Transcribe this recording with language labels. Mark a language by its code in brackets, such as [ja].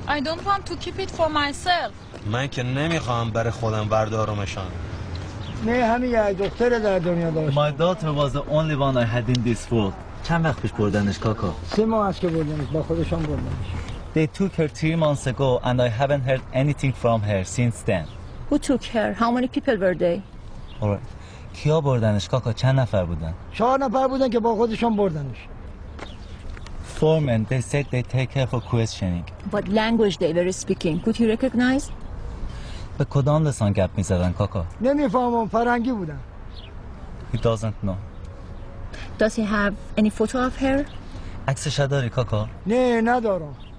[en] I don't want to keep it for myself. [fa] من که نمیخوام برای خودم بردارمشان. نه همین یه دختر در دنیا داشت. [en] My daughter was the only one I had in this world. [fa] چند وقت پیش بردنش کاکا؟ [en] 3 months [fa] که بردنش، با خودشان بردنش. [en] They took her 3 months ago and I haven't heard anything from her since then. Who took her? How many people were they? Alright. [fa] کیا بردنش کاکا؟ چند نفر بودن؟ 4 نفر بودن که با خودشان بردنش. [en] 4 men, they said they take her for questioning. What language they were speaking? Could you recognize? [fa] به کدام لسان گپ می زدن کاکا؟ نمیفهمم، فرنگی بودن. [en] He doesn't know. Does he have any photo of her? [fa] عکسش داری کاکا؟ نه، ندارم.